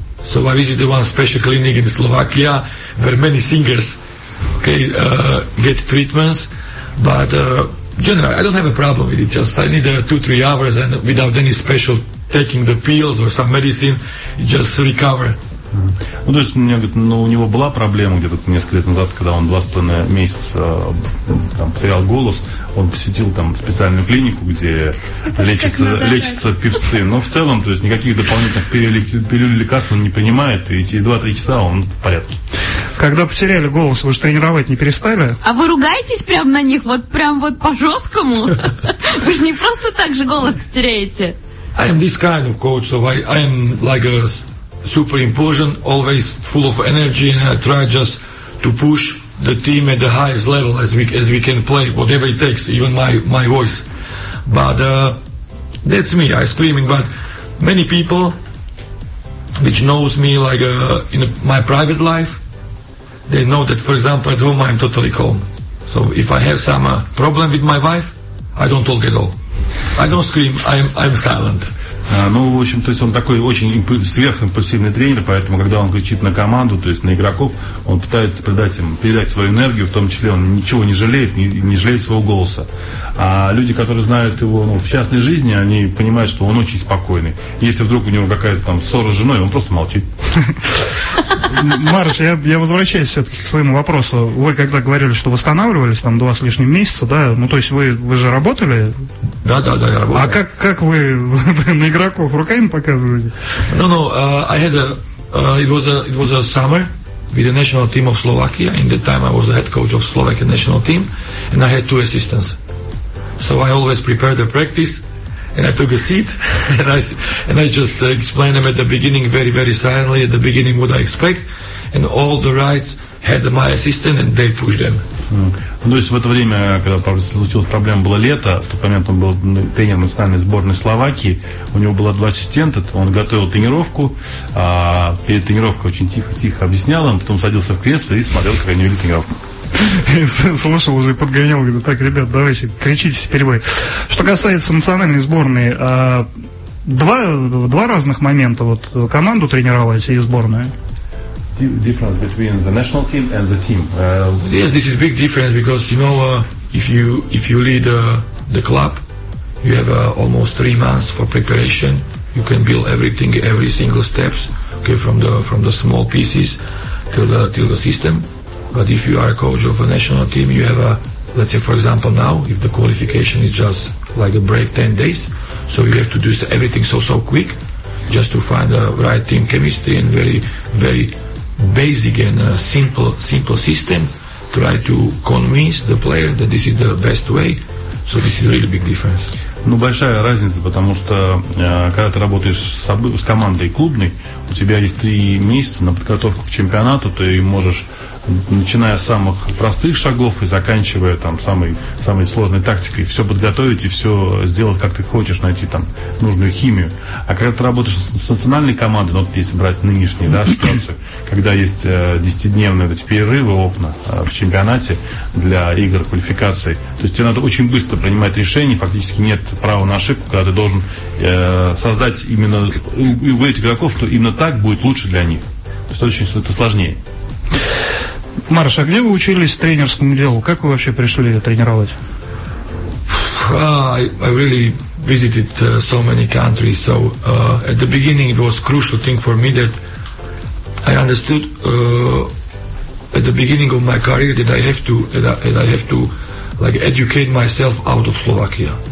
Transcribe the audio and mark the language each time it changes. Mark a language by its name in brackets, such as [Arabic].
[English] So I visited one special clinic in Slovakia, where many singers get treatments. But generally, I don't have a problem with it. Just I need 2-3 hours, and without any special taking the pills or some medicine, just recover. Mm-hmm. [Russian] Ну, то есть, у него была проблема где-то несколько лет назад, когда он 2.5 месяца там потерял голос, он посетил там специальную клинику, где лечатся певцы, но в целом, то есть, никаких дополнительных пилюль лекарств он не принимает, и через 2-3 часа он в порядке. Когда потеряли голос, вы же тренировать не перестали? А вы ругаетесь прямо на них, прям по-жесткому? Вы же не просто так же голос теряете. [English] I am this kind of coach, so I am like a... Super important, always full of energy, and I try just to push the team at the highest level as we can play, whatever it takes, even my voice. But that's me, I'm screaming. But many people, which knows me like in my private life, they know that, for example, at home I'm totally calm. So if I have some problem with my wife, I don't talk at all. I don't scream, I'm silent. [Russian] В общем, то есть он такой очень сверхимпульсивный тренер, поэтому, когда он кричит на команду, то есть на игроков, он пытается передать свою энергию, в том числе он ничего не жалеет, не жалеет своего голоса. А люди, которые знают его в частной жизни, они понимают, что он очень спокойный. Если вдруг у него какая-то там ссора с женой, он просто молчит. Марш, я возвращаюсь все-таки к своему вопросу. Вы когда говорили, что восстанавливались там 2 с лишним месяца, да? Ну, то есть вы же работали? Да, да, да, я работал. А как вы на игроков руками показываете? [English] It was a summer with the national team of Slovakia. In that time I was the head coach of Slovakian national team, and I had 2 assistants. So I always prepared the practice. And I took a seat, and I just explained them at the beginning, very, very silently, at the beginning, what I expect. And all the rights had my assistant, and they pushed them. [Russian] Ну, то есть в это время, когда случилась проблема, было лето, в тот момент он был тренером национальной сборной Словакии, у него было 2 ассистента, он готовил тренировку, а перед тренировкой очень тихо-тихо объяснял им, потом садился в кресло и смотрел, как они вели тренировку. Слушал уже и подгонял, говорю, так, ребят, давайте, кричите теперь вы. Что касается национальной сборной, два разных момента, вот команду тренировать и сборную. [English] Difference between the national team and the team. Yes, this is big difference because you know if you lead the club, you have almost 3 months for preparation. You can build everything, every single steps, okay, from the small pieces till the system. But if you are a coach of a national team, you have let's say for example now if the qualification is just like a break 10 days, so you have to do everything so quick, just to find the right team chemistry and very very basic and simple system, try to convince the player that this is the best way. So this is a really big difference. [Russian] Ну, большая разница, потому что когда ты работаешь с командой клубной, у тебя есть 3 месяца на подготовку к чемпионату, ты можешь, начиная с самых простых шагов и заканчивая там самой сложной тактикой, все подготовить и все сделать, как ты хочешь, найти там нужную химию. А когда ты работаешь с национальной командой, ну, вот если брать нынешнюю, да, ситуацию, когда есть 10-дневные перерывы, окна в чемпионате для игр квалификации, то есть тебе надо очень быстро принимать решения, фактически нет права на ошибку, когда ты должен создать именно у этих игроков, что именно так будет лучше для них. То есть это сложнее. Марш, а где вы учились тренерскому делу? Как вы вообще пришли тренировать? [English] I really visited so many countries, so at the beginning it was crucial thing for me that I understood at the beginning of my career that I have to like educate myself out of Slovakia.